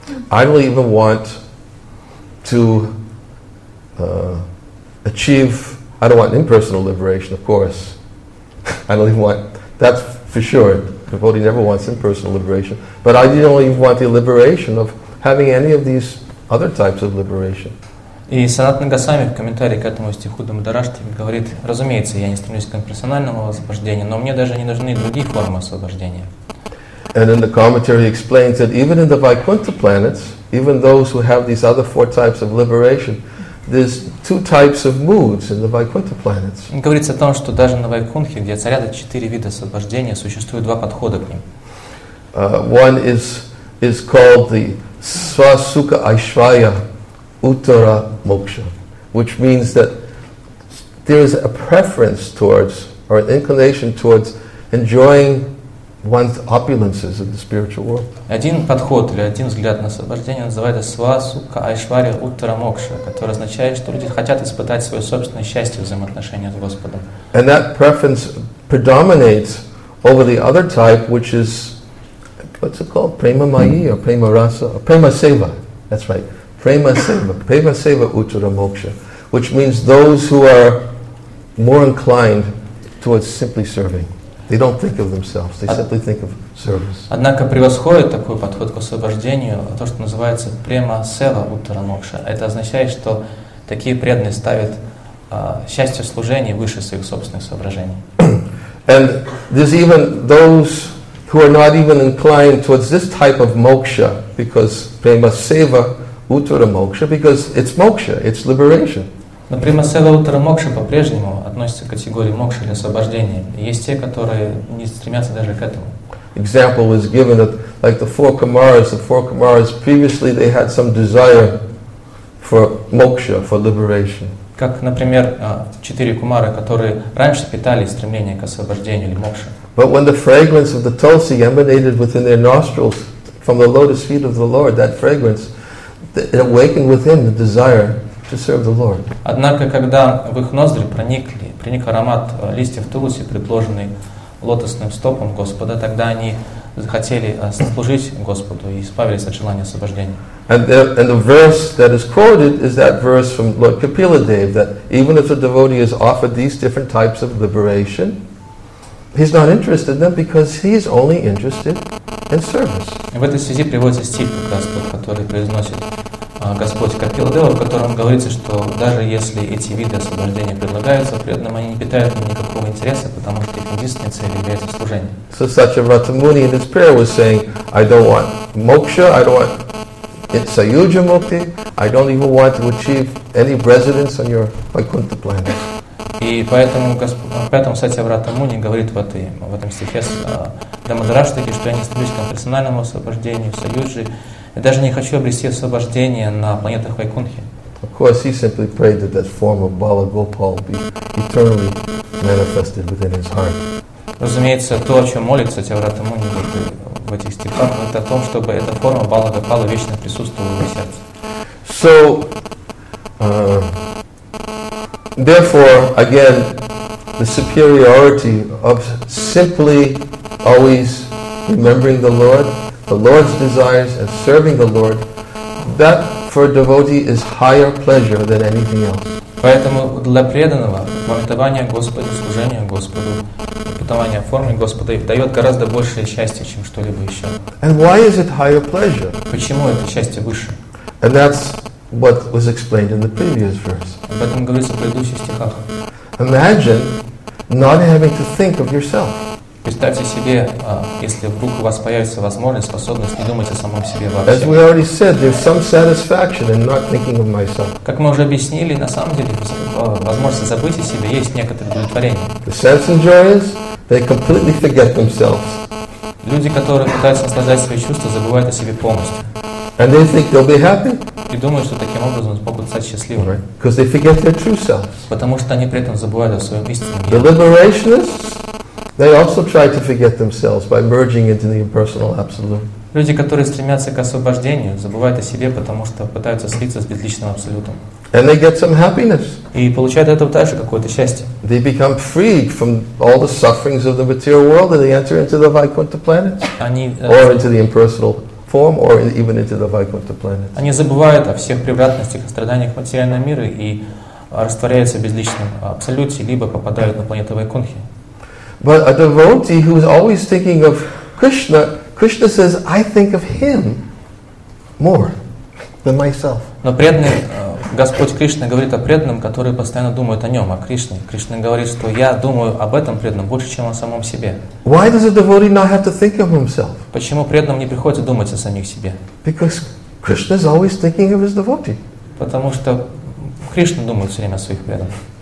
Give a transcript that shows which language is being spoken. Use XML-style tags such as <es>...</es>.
<en>I don't even want to achieve, I don't want impersonal liberation, of course. I don't even want, that's for sure. A devotee never wants impersonal liberation. But I don't even want the liberation of having any of these other types of liberation.</en> <ru>И Санатана Госвами в комментарии к этому стиху Дамодараштхи говорит, разумеется, я не стремлюсь к имперсональному освобождению, но мне даже не нужны другие формы освобождения.</ru> <en>And in the commentary he explains that even in the Vaikuntha planets, even those who have these other four types of liberation, there's two types of moods in the Vaikuntha planets.</en> <ru>Говорится о том, что даже на Вайкунхе, где царят четыре вида освобождения, существует два подхода к ним.</ru> <en>One is called the Swasuka Aishvaya Uttara Moksha, which means that there is a preference towards or an inclination towards enjoying one's opulences in the spiritual world.</en> <ru>Один подход или один взгляд на освобождение называется свасука айшварья уттара мокша, который означает, что люди хотят испытать свое собственное счастье в взаимоотношениях с Господом.</ru> <en>And that preference predominates over the other type, which is, what's it called? Prema mayi or prema rasa? Or prema seva. That's right. Prema seva. Prema seva uttara mokša, which means those who are more inclined towards simply serving. They don't think of themselves. They simply think of service.</en> <ru>Однако превосходит такой подход к освобождению то, что называется према сева уттарамокша. Это означает, что такие преданные ставят счастье в служении выше своих собственных соображений.</ru> <en>And there's even those who are not even inclined towards this type of moksha, because prema seva uttara moksha, because it's moksha, it's liberation.</en> <ru>Но према сева уттара мокша по-прежнему относится к категории мокша или освобождения. Есть те, которые не стремятся даже к этому.</ru> <en>Example is given that, like the four kumaras previously they had some desire for moksha, for liberation.</en> <ru>Как, например, четыре кумары, которые раньше питали стремление к освобождению или мокше.</ru> <en>But when the fragrance of the tulsi emanated within their nostrils from the lotus feet of the Lord, that fragrance, it awakened within the desire to serve the Lord.</en> <ru>Однако, когда в их ноздри проник аромат листьев тулуси, предложенный лотосным стопом Господа, тогда они захотели служить Господу и избавились от желания освобождения.</ru> <en>And the verse that is quoted is that verse from Lord Kapila Dev, that even if a devotee is offered these different types of liberation, he's not interested in them because he's only interested in service.</en> <ru>В этой связи приводится стих, как раз тот, который произносит Господь Капила Дева, в котором говорится, что даже если эти виды освобождения предлагаются преданным, они не питают никакого интереса, потому что их единственной целью является служение.</ru> <en>So Satyavrata Muni in his prayer was saying, I don't want moksha, I don't want Sayuja Mukti, I don't even want to achieve any residence on your Vaikuntha planet.</en> <ru>И поэтому Сатьяврата Муни говорит в этом стихе с Дамадраштаки, что я не стремлюсь к персональному освобождению, в Саюджи, я даже не хочу обрести освобождение на планетах Вайкунхи.</ru> <en>Of course, he simply prayed that that form of Bala Gopal be eternally manifested within his heart.</en> <ru>Разумеется, то, о чем молится Сатьяврата Муни в этих стихах, это о том, чтобы эта форма Бала Гопала вечно присутствовала в его сердце.</ru> <en>So, therefore, again, the superiority of simply always remembering the Lord, the Lord's desires, and serving the Lord, that for a devotee is higher pleasure than anything else.</en> <ru>Поэтому для преданного памятование Господу, служение Господу, памятование формы Господа дает гораздо большее счастье, чем что-либо еще.</ru> <en>And why is it higher pleasure?</en> <ru>Почему это счастье выше?</ru> <en>And that's what was explained in the previous verse.</en> <ru>Об этом говорится в предыдущих стихах.</ru> <en>Imagine not having to think of yourself.</en> <ru>Представьте себе, если вдруг у вас появится возможность, способность не думать о самом себе вообще.</ru> <en>As we already said, there's some satisfaction in not thinking of myself.</en> <ru>Как мы уже объяснили, на самом деле, возможность забыть о себе есть некоторое удовлетворение.</ru> <en>The sense enjoyers, they completely forget themselves.</en> <ru>Люди, которые пытаются наслаждать свои чувства, забывают о себе полностью.</ru> <en>And they think they'll be happy.</en> <ru>И думают, что таким образом смогут стать счастливыми.</ru> <en>Right. Because they forget their true selves.</en> <ru>Потому что они при этом забывают о своем истинном я.</ru> <en>The liberationists, they also try to forget themselves by merging into the impersonal absolute.</en> <ru>Люди, которые стремятся к освобождению, забывают о себе, потому что пытаются слиться с безличным абсолютом.</ru> <en>And they get some happiness.</en> <ru>И получают от этого также какое-то счастье.</ru> <en>They become freed from all the sufferings of the material world and they enter into the Vaikuntha planet. Or into the impersonal form or even into the Vaikuntha planet.</en> <ru>Они забывают о всех превратностях и страданиях материального мира и растворяются в безличном абсолюте, либо попадают на планету Вайкунхи.</ru> <en>But a devotee who is always thinking of Krishna says, I think of him more than myself.</en> <ru>Но преданный, Господь Кришна говорит о преданном, который постоянно думает о нем, о Кришне. Кришна говорит, что я думаю об этом преданном больше, чем о самом себе.</ru> <en>Why does a devotee not have to think of himself?</en> <ru>Почему преданному не приходится думать о самих себе?</ru> <en>Because Krishna is always thinking of his devotee.</en> <ru>Потому что Кришна думает все время о своих преданных.</ru>